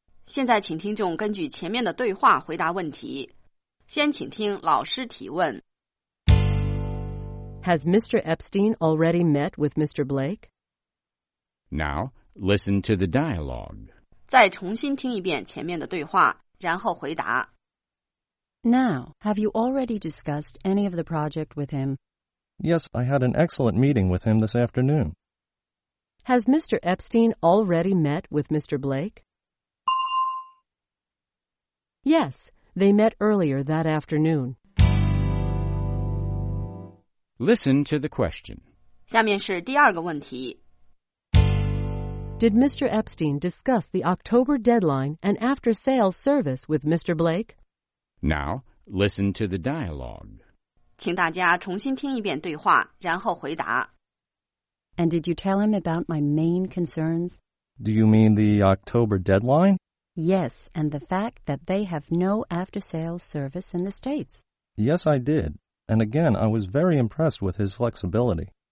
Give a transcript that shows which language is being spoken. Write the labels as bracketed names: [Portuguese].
[Chinese] 现在请听众根据前面的对话回答问题。先请听老师提问。 [English] Has Mr. Epstein already met with Mr. Blake? Now, listen to the dialogue. [Chinese] 再重新听一遍前面的对话,然后回答。 [English] Now, have you already discussed any of the project with him? Yes, I had an excellent meeting with him this afternoon. Has Mr. Epstein already met with Mr. Blake? Yes, they met earlier that afternoon. Listen to the question. [Chinese] 下面是第二个问题。 [English] Did Mr. Epstein discuss the October deadline and after-sales service with Mr. Blake? Now, listen to the dialogue. [Chinese] 请大家重新听一遍对话，然后回答。 [English] And did you tell him about my main concerns? Do you mean the October deadline? Yes, and the fact that they have no after-sales service in the States. Yes, I did. And again, I was very impressed with his flexibility.